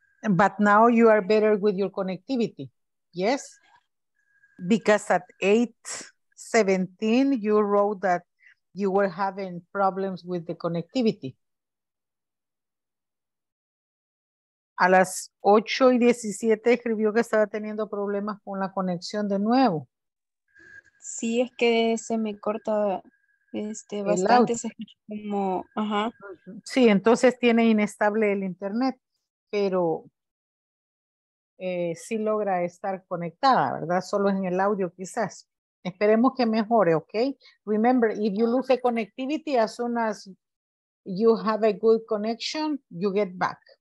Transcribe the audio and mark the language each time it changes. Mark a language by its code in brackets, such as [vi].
[en] But now you are better with your connectivity. Yes? Because at 8:17, you wrote that you were having problems with the connectivity. [es] A las 8:17 escribió que estaba teniendo problemas con la conexión de nuevo. Sí, es que se me corta bastante se escucha como, ajá. Sí, entonces tiene inestable el internet, pero sí logra estar conectada, ¿verdad? Solo en el audio quizás. Esperemos que mejore, ¿ok? [en] Remember, if you lose the connectivity, as soon as you have a good connection, you get back.